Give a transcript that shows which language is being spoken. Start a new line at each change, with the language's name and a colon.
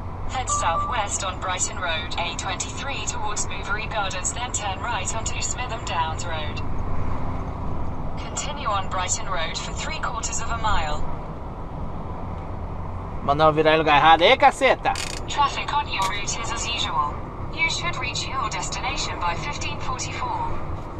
English: Head southwest on Brighton Road, A23 towards Bouverie Gardens, then turn right onto Smitham Downs Road. Continue on Brighton Road for 3/4 mile.
Portuguese: Mandou virar em lugar errado, aí, caceta!
English: Traffic on your route is as usual. You should reach your destination by 15:44.